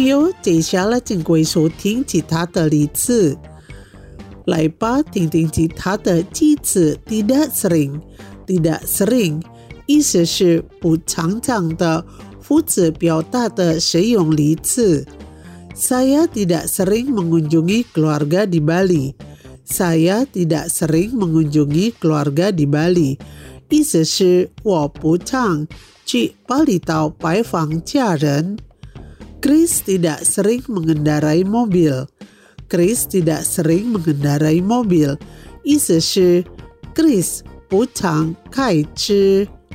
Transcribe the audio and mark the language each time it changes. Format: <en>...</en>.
<zh>听众朋友，接下来请回收听其他的例子。来吧，听听其他的句子。</zh> <id>Tidak sering</id> <zh>意思是不常常的。副词表达的使用例子。</zh> <id>Saya tidak sering mengunjungi keluarga di Bali. Saya tidak sering mengunjungi keluarga di Bali.</id> <zh>意思是我不常 去 Bali 岛拜访家人。</zh> <id>Chris tidak sering mengendarai mobil. Chris tidak sering mengendarai mobil.</id> <zh>意思是 Chris 不常开车。</zh>